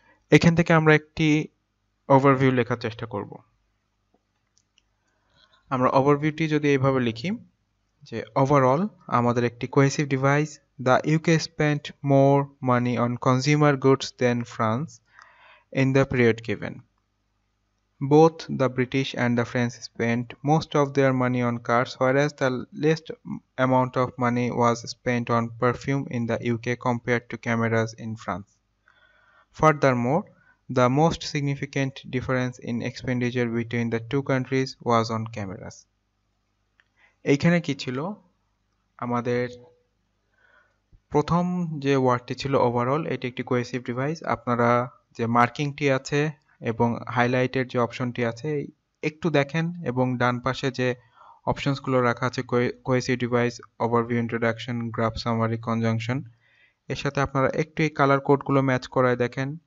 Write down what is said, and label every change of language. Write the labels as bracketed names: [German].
[Bangla] এখান থেকে আমরা একটি ওভারভিউ লেখার চেষ্টা করব। আমরা ওভারভিউটি যদি এইভাবে লিখি যে [English] Overall আমাদের একটি cohesive device, the UK spent more money on consumer goods than France in the period given. Both the British and the French spent most of their money on cars, whereas the least amount of money was spent on perfume in the UK compared to cameras in France. Furthermore, the most significant difference in expenditure between the two countries was on cameras. [Bangla] এখানে কি ছিল আমাদের প্রথম যে ওয়ার্ডটি ছিল overall, এটি একটি cohesive device. আপনারা যে মার্কিংটি আছে এবং হাইলাইটের যে অপশনটি আছে একটু দেখেন, এবং ডান পাশে যে অপশনসগুলো রাখা আছে cohesive device, overview, introduction, graph summary, conjunction, এর সাথে আপনারা একটু এই কালার কোডগুলো ম্যাচ করায় দেখেন।